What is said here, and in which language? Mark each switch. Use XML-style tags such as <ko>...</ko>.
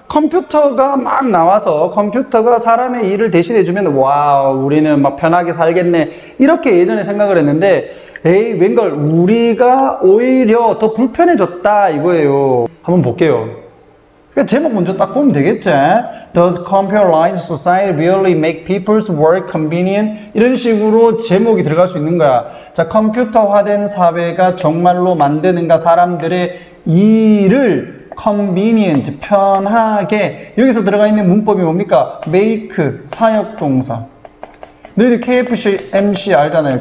<ko>컴퓨터가 막 나와서 컴퓨터가 사람의 일을 대신해주면 와우, 우리는 막 편하게 살겠네. 이렇게 예전에 생각을 했는데 에이, 웬걸, 우리가 오히려 더 불편해졌다 이거예요. 한번 볼게요. 그러니까 제목 먼저 딱 보면 되겠지.</ko> <en>Does computerized society really make people's work convenient?</en> <ko>이런 식으로 제목이 들어갈 수 있는 거야. 자, 컴퓨터화된 사회가 정말로 만드는가, 사람들의 일을 convenient, 편하게. 여기서 들어가 있는 문법이 뭡니까? make, 사역동사. 너희들 KFC MT 알잖아요.</ko>